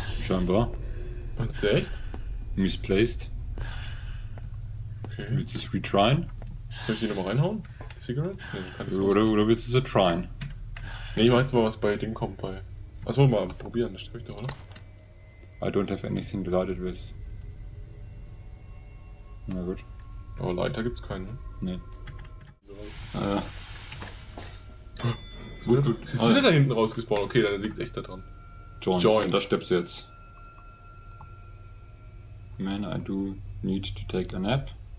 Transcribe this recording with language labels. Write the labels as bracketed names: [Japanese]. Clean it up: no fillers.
[German] Scheinbar. Meinst du echt? [English] Misplaced. [German] Okay. Willst du es retryen? Soll ich die nochmal reinhauen? Die Cigarette? Nee, kann ich oder willst du es retryen? Nee, ich mach jetzt mal was bei dem kommt bei. Achso, mal probieren, das stimmt doch, oder? [English] I don't have anything to light it with. [German] Na gut. Aber Leiter gibt's keinen, ne? Nee. So. Gut. Ist wieder da hinten rausgespawnt? Okay, dann liegt's echt da dran. Join. Da stirbst du jetzt. [English] Man, I do need to take a nap.